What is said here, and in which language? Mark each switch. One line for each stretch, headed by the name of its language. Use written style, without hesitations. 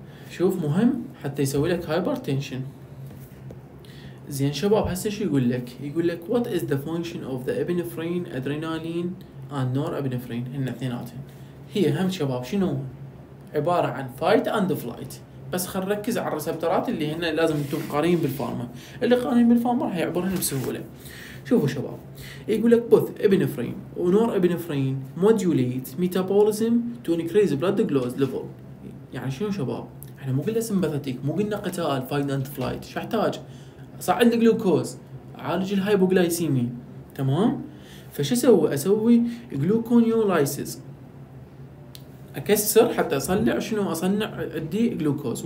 Arabic: شوف مهم حتى يسوي لك هايبرتينشن. زين شباب هسه شو يقول لك؟ يقول لك
English: what is the function of the epinephrine, adrenaline and norepinephrine؟
Arabic: هن اثنيناتهم هي هم شباب شنو؟ عبارة عن
English: fight and flight.
Arabic: بس خل نركز على الرسبترات اللي هن لازم تكون قارين بالفارما، اللي قارين بالفارما راح يعبرهن بسهولة. شوفوا شباب، يقول لك
English: both epinephrine norepinephrine modulate metabolism to increase blood glucose level.
Arabic: يعني شنو شباب؟ احنا مو قلنا sympathetic، مو قلنا قتال،
English: fight and flight،
Arabic: شو احتاج؟ صعد الجلوكوز، عالج الهايبوغلايسيمي. تمام؟ فش اسوي جلوكونيولايسيس، اكسر حتى اصنع شنو؟ اصنع الدي جلوكوز.